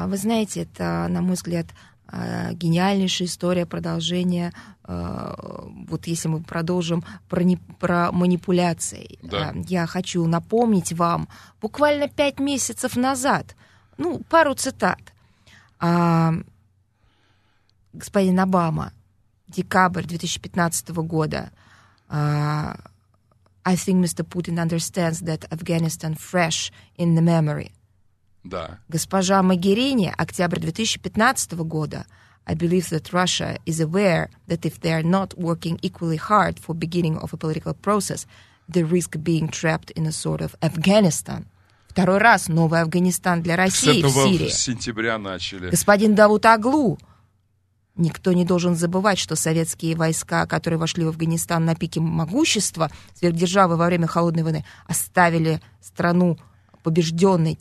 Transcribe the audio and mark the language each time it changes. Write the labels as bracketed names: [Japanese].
[Russian] Вы знаете, это, на мой взгляд, гениальнейшая история продолжения, вот если мы продолжим, про манипуляции. Да. Я хочу напомнить вам, буквально 5 месяцев назад, ну, пару цитат. Господин Обама, декабрь 2015 года. [English] I think Mr. Putin understands that Afghanistan fresh in the memory. [Russian] Да. Госпожа Могерини, октябрь 2015 года. [English] I believe that Russia is aware that if they are not working equally hard for beginning of a political process, they risk being trapped in a sort of Afghanistan. [Russian] Второй раз новый Афганистан для России в Сирии. С этого сентября начали. Господин Давутоглу. Никто не должен забывать, что советские войска, которые вошли в Афганистан на пике могущества сверхдержавы во время холодной войны, оставили страну побежденной.